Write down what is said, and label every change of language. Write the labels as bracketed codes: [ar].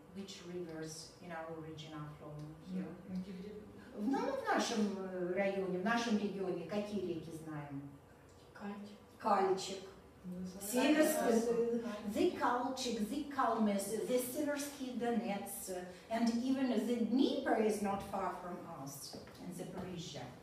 [en] Which rivers in our region are flown here? [ru] В нашем районе, в нашем регионе, какие реки знаем? Кальчик. Кальчик. Северский. [en] The Kalchik, the Kalmus, the Seversky Donets, and even the Dnieper is not far from us, in Zaporizhia.